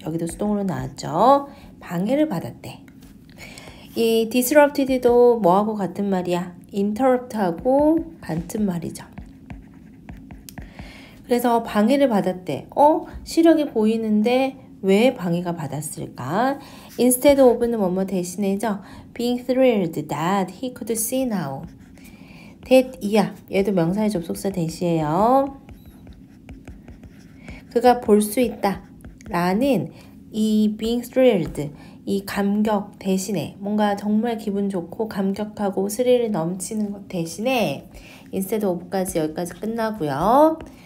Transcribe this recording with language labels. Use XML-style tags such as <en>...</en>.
<ko>여기도 수동으로 나왔죠. 방해를 받았대. 이 disrupted도 뭐하고 같은 말이야? interrupt하고 같은 말이죠. 그래서 방해를 받았대. 어? 시력이 보이는데 왜 방해가 받았을까? Instead of는 뭐뭐 대신해죠?</ko> <en>Being thrilled that he could see now.</en> <ko>That 이야. 얘도 명사의 접속사 대시예요. 그가 볼수 있다. 라는 이</ko> <en>being thrilled,</en> <ko>이 감격 대신에 뭔가 정말 기분 좋고 감격하고 스릴이 넘치는 것 대신에 Instead of까지 여기까지 끝나고요.</ko>